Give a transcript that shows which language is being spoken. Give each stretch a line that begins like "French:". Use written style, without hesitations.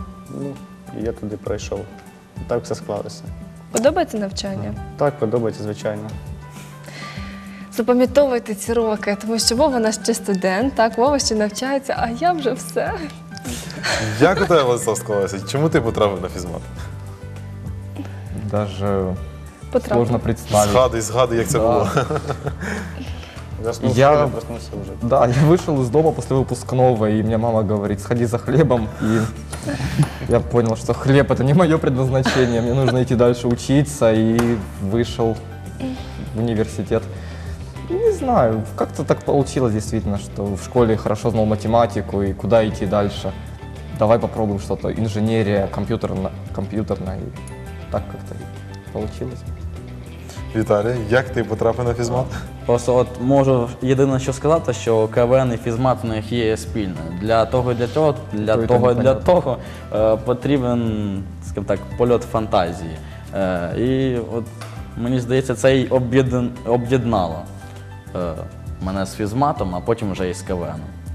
Ukrainian: Ну, і я туди пройшов. Так все склалося. Подобається навчання? Так, подобається, звичайно. Запам'ятовуйте ці роки, тому що Вова нас ще студент, так, Вова ще навчається, а я вже все. Як у тебе, Владислав, склалося? Чому ти потрапив на фізмат?
Russian: Даже сложно представити.
Ukrainian: Згадуй, як це було. Я вийшов з дому після випускного, і мені мама говорить, сходи за хлібом. І я зрозумів, що хліб – це не моє предназначення, мені потрібно йти далі вчитися, і вийшов в університет.
Russian: Не знаю, как-то так получилось действительно, что в школе хорошо знал математику и куда идти дальше. Давай попробуем что-то, инженерия, компьютерная, так как-то и получилось. Виталий, как ты потрапил на физмат?
Ukrainian: Просто от можу єдине, що сказати, що КВН і фізмат в них є спільне. Для того потрібен, скажімо так, польот фантазії. І от мені здається, це й об'єднало мене з фізматом, а потім вже і з КВНом.